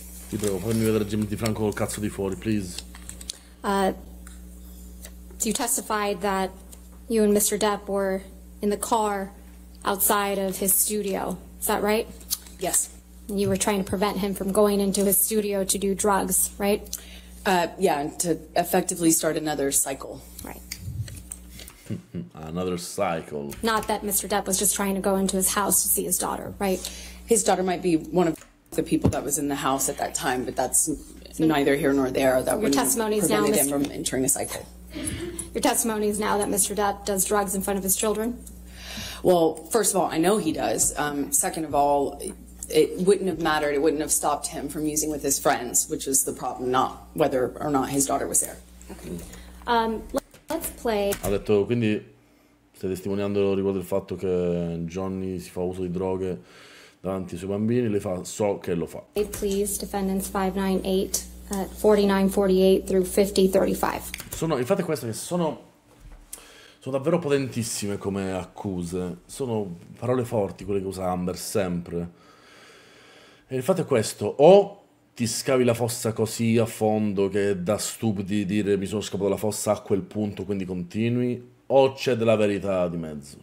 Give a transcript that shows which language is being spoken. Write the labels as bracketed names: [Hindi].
[Italian] Ti prego, fammi vedere Jim Di Franco col cazzo di fuori, please. [English] You testified that you and Mr. Depp were in the car outside of his studio. Is that right? Yes. You were trying to prevent him from going into his studio to do drugs, right? Yeah, to effectively start another cycle. Right. Another cycle. Not that Mr. Depp was just trying to go into his house to see his daughter, right? His daughter might be one of the people that was in the house at that time, but that's neither here nor there. That your testimony is now him from entering a cycle. Your testimony is now that Mr. Depp does drugs in front of his children? Well, first of all, I know he does. Second of all, it wouldn't have mattered. It wouldn't have stopped him from using with his friends, which was the problem, not whether or not his daughter was there. Okay. Let's play. [Italian] Ha detto, quindi stai testimoniando riguardo il fatto che Johnny si fa uso di droghe davanti ai suoi bambini. Le fa, so che lo fa. [English] Please, defendants 598 at 4948 through 5035. [Italian] Sono, infatti, queste che sono davvero potentissime come accuse. Sono parole forti quelle che usa Amber sempre. E il fatto è questo: o ti scavi la fossa così a fondo che è da stupidi dire mi sono scappato dalla fossa a quel punto, quindi continui, o c'è della verità di mezzo.